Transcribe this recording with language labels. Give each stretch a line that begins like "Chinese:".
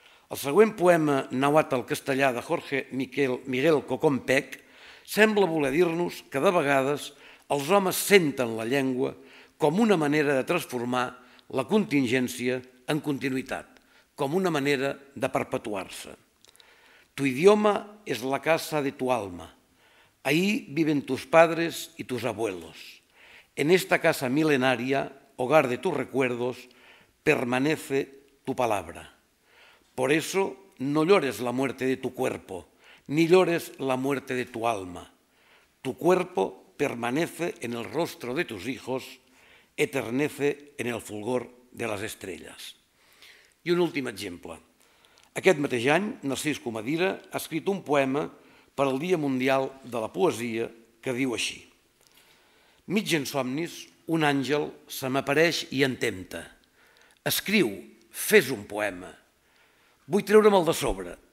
Catalan: El següent poema, Nahuatl castellà, de Jorge Miguel Cocompec, sembla voler dir-nos que de vegades els homes senten la llengua com una manera de transformar la contingència en continuïtat, com una manera de perpetuar-se. Tu idioma és la casa de tu alma.
Spanish: Ahí viven tus padres y tus abuelos. En esta casa milenaria, hogar de tus recuerdos, permanece tu palabra. Por eso no llores la muerte de tu cuerpo, ni llores la muerte de tu alma. Tu cuerpo permanece en el rostro de tus hijos, eternece en el fulgor de las estrellas.
Catalan: I un últim exemple. Aquest mateix any, Narcís Comadira ha escrit un poema per al Dia Mundial de la Poesia que diu així: mig en somnis, un àngel se m'apareix i em tempta. Escriu, fes un poema. Vull treure-me'l de sobre.